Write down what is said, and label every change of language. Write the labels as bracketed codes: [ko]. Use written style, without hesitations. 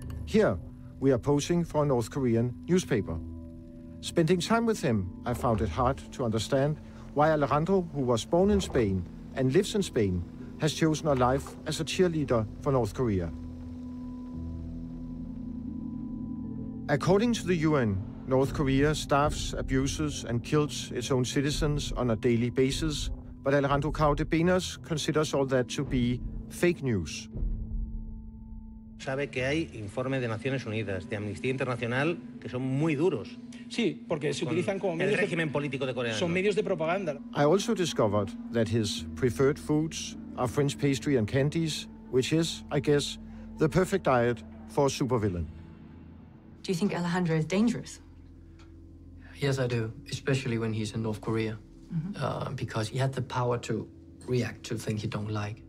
[en] Here, we are posing for a North Korean newspaper. Spending time with him, I found it hard to understand why Alejandro, who was born in Spain and lives in Spain, has chosen a life as a cheerleader for North Korea. According to the UN, North Korea starves, abuses, and kills its own citizens on a daily basis, but Alejandro Cardebenas considers all that to be fake news. [es] Sabe que hay informes de Naciones Unidas, de Amnistía Internacional, que son muy duros. Sí, porque se utilizan como medios. El régimen político de Corea. Son medios de propaganda. [en] I also discovered that his preferred foods are French pastry and candies, which is, I guess, the perfect diet for a supervillain. Do you think Alejandro is dangerous? Yes, I do, especially when he's in North Korea, because he had the power to react to things he don't like.